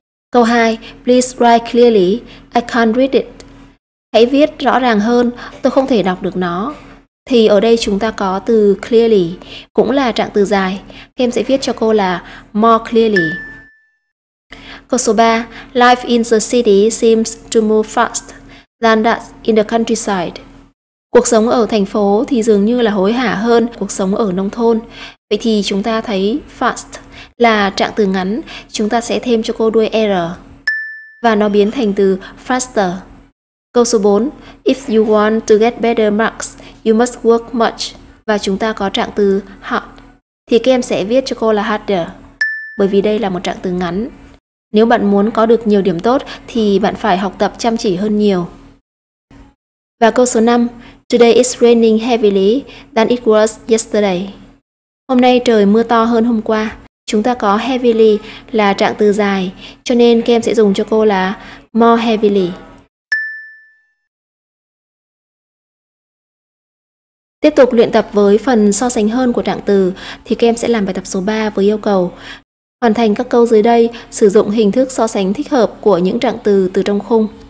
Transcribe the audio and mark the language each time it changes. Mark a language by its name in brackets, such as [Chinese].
[Vietnamese] Câu 2. [English] Please write clearly. I can't read it. [Vietnamese] Hãy viết rõ ràng hơn. Tôi không thể đọc được nó. Thì ở đây chúng ta có từ clearly, cũng là trạng từ dài. Các em sẽ viết cho cô là more clearly. Câu số 3. [English] Life in the city seems to move fast than that in the countryside. [Vietnamese] Cuộc sống ở thành phố thì dường như là hối hả hơn cuộc sống ở nông thôn. Vậy thì chúng ta thấy fast là trạng từ ngắn. Chúng ta sẽ thêm cho cô đuôi er. Và nó biến thành từ faster. Câu số 4. [English] If you want to get better marks, you must work much. [Vietnamese] Và chúng ta có trạng từ hard. Thì các em sẽ viết cho cô là harder. Bởi vì đây là một trạng từ ngắn. Nếu bạn muốn có được nhiều điểm tốt, thì bạn phải học tập chăm chỉ hơn nhiều. Và câu số 5. [English] Today it's raining heavily than it was yesterday. [Vietnamese] Hôm nay trời mưa to hơn hôm qua. Chúng ta có heavily là trạng từ dài. Cho nên các em sẽ dùng cho cô là more heavily. Tiếp tục luyện tập với phần so sánh hơn của trạng từ thì các em sẽ làm bài tập số 3 với yêu cầu hoàn thành các câu dưới đây sử dụng hình thức so sánh thích hợp của những trạng từ từ trong khung.